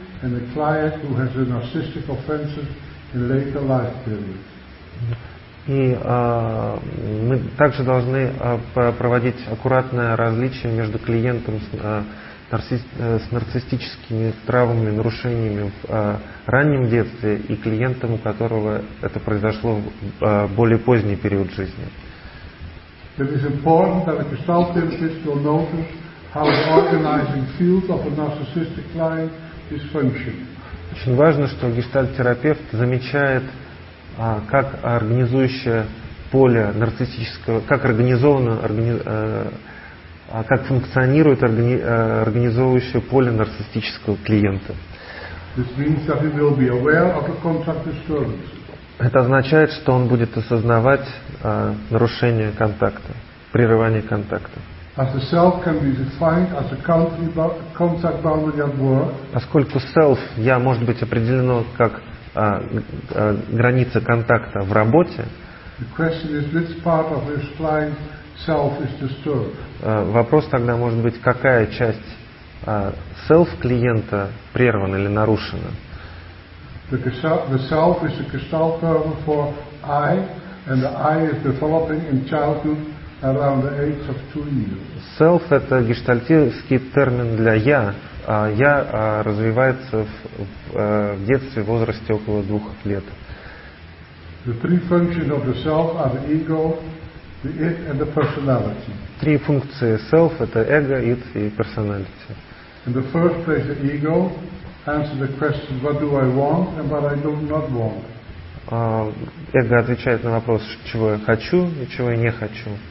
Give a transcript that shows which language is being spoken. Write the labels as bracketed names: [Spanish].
[English] and a client who has a narcissistic offenses in later life periods. [Russian] И мы также должны проводить аккуратное различие между клиентом с нарциссическими травмами, нарушениями в раннем детстве и клиентом, у которого это произошло в более поздний период жизни. [English] It is important that a gestalt therapist will notice how the organizing field of a narcissistic client is functioning. [Russian] Очень важно, что гештальт-терапевт замечает, как организующее поле нарциссического, как организовано, как функционирует организовывающее поле нарциссического клиента. [English] This means that he will be aware of the contract disturbance. [Russian] Это означает, что он будет осознавать нарушение контакта, прерывание контакта. [English] As the self can be defined as a contact boundary at work. [Russian] Поскольку self, я, может быть, определено как граница контакта в работе. [English] The question is which part of this client self is disturbed. [Russian] Вопрос тогда может быть, какая часть self клиента прервана или нарушена. [English] The self is a gestalt term for I, and the I is developing in childhood around the age of 2 years. [Russian] Self – это гештальтический термин для я. Я развивается в детстве, в возрасте около 2 лет. [English] The three functions of the self are the ego, the it, and the personality. [Russian] Три функции self – это эго, it и personality. [English] In the first place, the ego. Answer the question: What do I want and what I do not want? [Russian] Эго отвечает на вопрос, чего я хочу и чего я не хочу.